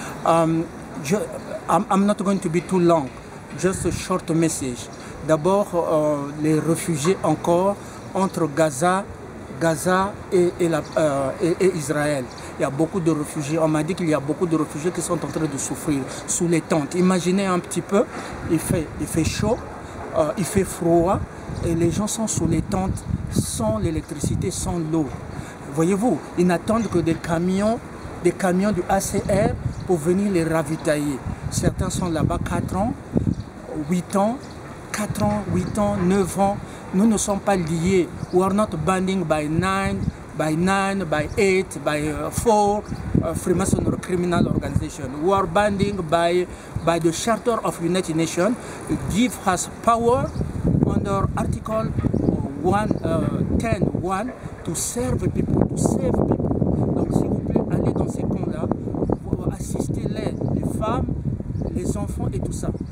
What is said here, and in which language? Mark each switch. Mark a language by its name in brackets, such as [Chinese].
[English] I'm not going to be too long, just a short message. [French] D'abord, les réfugiés encore entre Gaza et Israël. Il y a beaucoup de réfugiés. On m'a dit qu'il y a beaucoup de réfugiés qui sont en train de souffrir sous les tentes. Imaginez un petit peu, il fait chaud, il fait froid et les gens sont sous les tentes sans l'électricité, sans l'eau. Voyez-vous, ils n'attendent que des camions du ACR pour venir les ravitailler. Certains sont là-bas 4 ans, 8 ans. 4 ans, 8 ans, 9 ans, nous ne sommes pas liés. [English] We are not binding by nine, by eight, by four, Freemason or criminal organization. We are binding by the Charter of United Nations. Give us power under Article 10.1 to serve people, to save people. [French] Donc s'il vous plaît, allez dans ces camps-là, assistez-les, les femmes, les enfants et tout ça.